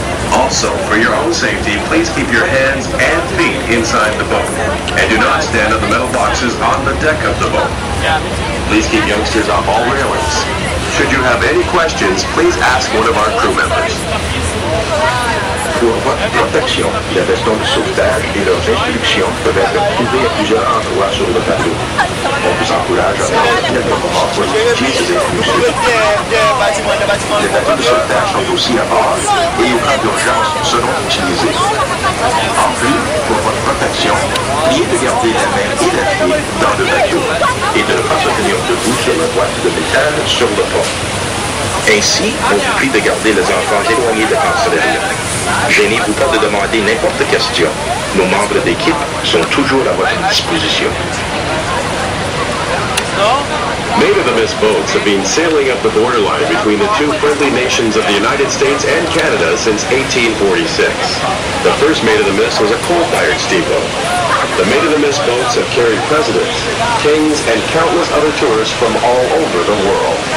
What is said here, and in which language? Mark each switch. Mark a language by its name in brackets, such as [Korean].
[English] Also, for your own safety, please keep your hands and feet inside the boat and do not stand on the metal boxes on the deck of the boat. Please keep youngsters off all railings. Should you have any questions, please ask one of our crew members. [French] Pour votre protection, les vestons de sauvetage et leurs instructions peuvent être trouvés à plusieurs endroits sur le bateau. On vous encourage à prendre le moment pour utiliser ces instructions. Les bateaux de sauvetage sont aussi à bord et au cas d'urgence seront utilisés. En plus, pour votre protection, priez de garder la main et la pied dans le bateau et de ne pas se tenir debout sur la boîte de métal sur le pont. Ainsi, on vous prie de garder les enfants éloignés de cancerie. Gênez-vous pas de demander n'importe question. Nos membres d'équipe sont toujours à votre disposition. [English] Made of the mist boats have been sailing up the borderline between the two friendly nations of the United States and Canada since 1846. The first made of the mist was a coal-fired steamboat. The made of the mist boats have carried presidents, kings, and countless other tourists from all over the world.